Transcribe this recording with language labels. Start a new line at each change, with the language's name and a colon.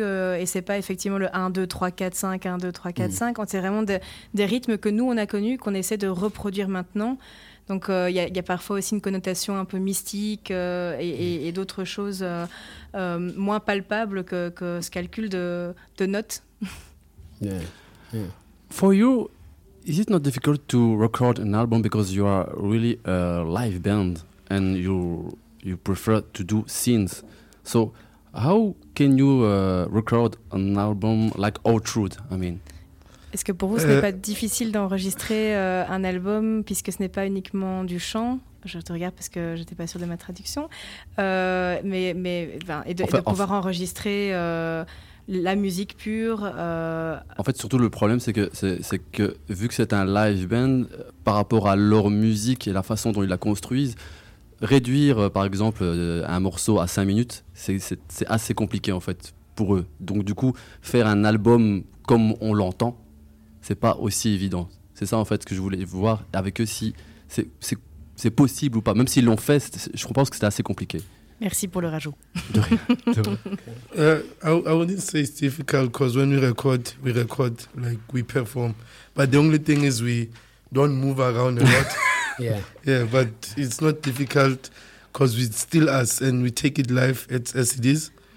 French: Et ce n'est pas effectivement le 1, 2, 3, 4, 5, 1, 2, 3, 4, 5. C'est vraiment des rythmes que nous, on a connus, qu'on essaie de reproduire maintenant. Donc il y a parfois aussi une connotation un peu mystique et d'autres choses moins palpables que ce calcul de notes.
English: For you, is it not difficult to record an album because you are really a live band and you prefer to do scenes? So how can you record an album like All Truth? I mean,
French: est-ce que pour vous ce n'est pas difficile d'enregistrer un album puisque ce n'est pas uniquement du chant? Je te regarde parce que j'étais pas sûre de ma traduction, mais enregistrer la musique pure. En fait, surtout, le problème, c'est que vu que c'est un live band, par rapport à leur musique et la façon dont ils la construisent, réduire, par exemple, un morceau à 5 minutes, c'est assez compliqué, en fait, pour eux. Donc, du coup, faire un album comme on l'entend, c'est pas aussi évident. C'est ça, en fait, ce que je voulais voir avec eux, si c'est possible ou pas. Même s'ils l'ont fait, je pense que c'est assez compliqué. Merci pour le rajout.
English: I wouldn't say it's difficult because when we record like we perform. But the only thing is we don't move around a lot. Yeah, but it's not difficult because we still us and we take it live as it is.